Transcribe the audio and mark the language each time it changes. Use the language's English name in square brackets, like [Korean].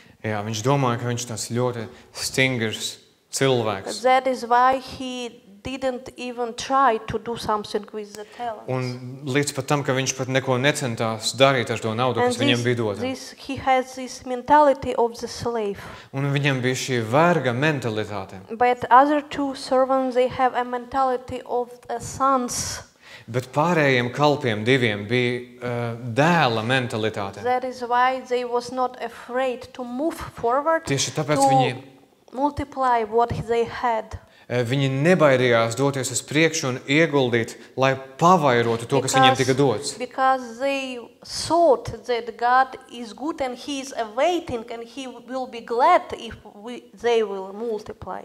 [Latvian] Jā, viņš domāja, ka viņš tāds ļoti stingrs cilvēks. [English] That is why he didn't even try to do something with the talents. [Latvian] Un līdz pat tam, ka viņš pat neko necentās darīt ar to naudu, kas viņam bija dota. [English] He has this mentality of the slave. [Latvian] Un viņam bija šī verga mentalitāte. [English] But other two servants, they have a mentality of a son's. [Latvian] Bet pārējiem kalpiem diviem bija dēla mentalitāte. [English] That is why they was not afraid to move forward. [Latvian] Tieši tāpēc viņi [English] multiply what they had. [Latvian] Viņi nebaidījās doties uz priekšu un ieguldīt, lai pavairotu to, kas viņiem tika dots. [English] Because they thought that God is good and he is awaiting and he will be glad if they will multiply.